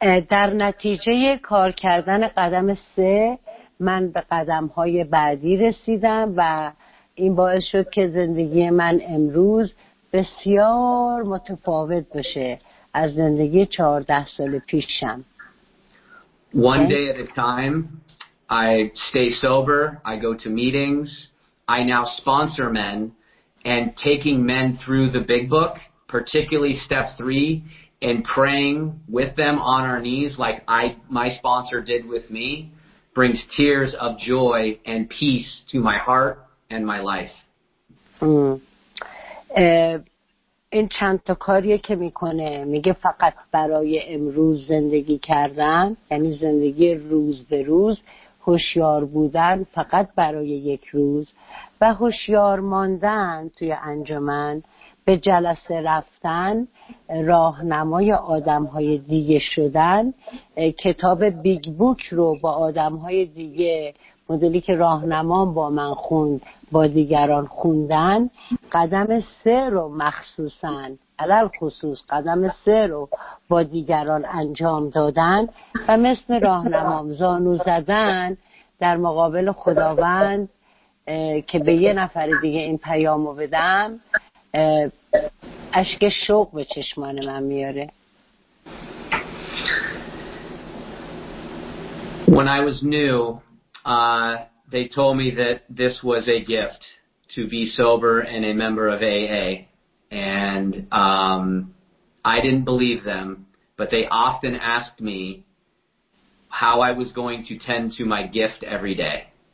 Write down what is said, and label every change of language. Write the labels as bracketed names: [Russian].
[Persian] در نتیجه کار کردن قدم سه من به قدم‌های بعدی رسیدم و این باعث شد که زندگی من امروز بسیار متفاوت بشه از زندگی 14 سال پیشم. [English] One day at a time, I stay sober, I go to meetings, I now sponsor men, and taking men through the big book, particularly step three, and praying with them on our knees like my sponsor did with me, brings tears of joy and peace to my heart and my life. [Persian] این چند تا کاریه که میکنه. میگه فقط برای امروز زندگی کردن، یعنی زندگی روز به روز، هوشیار بودن فقط برای یک روز و هوشیار ماندن توی انجمن، به جلسه رفتن، راهنمای آدم‌های دیگه شدن، کتاب بیگ بوک رو با آدم‌های دیگه مدلی که راهنمام با من خوند با دیگران خوندن، قدم سه رو مخصوصاً علل خصوص قدم سه رو با دیگران انجام دادن و مثل راهنمام زانو زدن در مقابل خداوند که به یه نفر دیگه این پیامو بدم، اشک شوق به چشمان من میاره. [English] When I was new, they told me that this was a gift to be sober and a member of AA, and I didn't believe them, but they often asked me how I was going to tend to my gift every day.